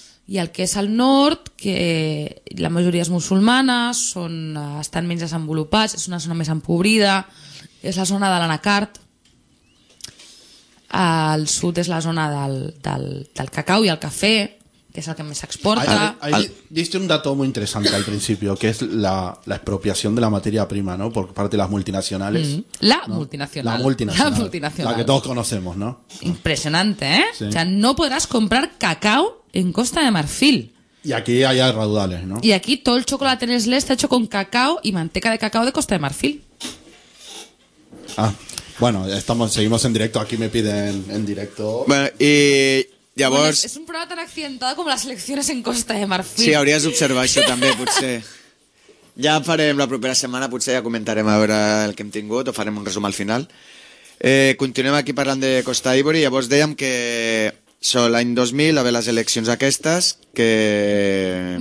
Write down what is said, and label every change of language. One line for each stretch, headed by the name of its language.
Catalan: I el que és el nord, que la majoria és musulmana, estan menys desenvolupats, és una zona més empobrida, és la zona de l'anacard. El sud és la zona del cacau i el cafè, que és el que més s'exporta.
Spanish: Diste un dato muy interesante al principio, que es la expropiación de la materia prima, ¿no? Por parte de las multinacionales. La multinacional. La multinacional. La que todos conocemos, ¿no? Impresionante, ¿eh? Sí. O sea, no podrás comprar cacao en Costa de Marfil. Y aquí hay raudales, ¿no? Y aquí todo el chocolate Nestlé está hecho con cacao y manteca de cacao de Costa de Marfil. Ah, bueno, seguimos en directo. Aquí me piden en directo.
Catalan: Llavors... Bueno, és un programa tan accidentado com les eleccions en Costa de Marfil. Sí, hauries d'observar això també, potser. Ja farem la propera setmana, potser ja comentarem a veure el que hem tingut o farem un resum al final. Continuem aquí parlant de Costa d'Ivori. Llavors dèiem que l'any 2000 hi ha les eleccions aquestes que...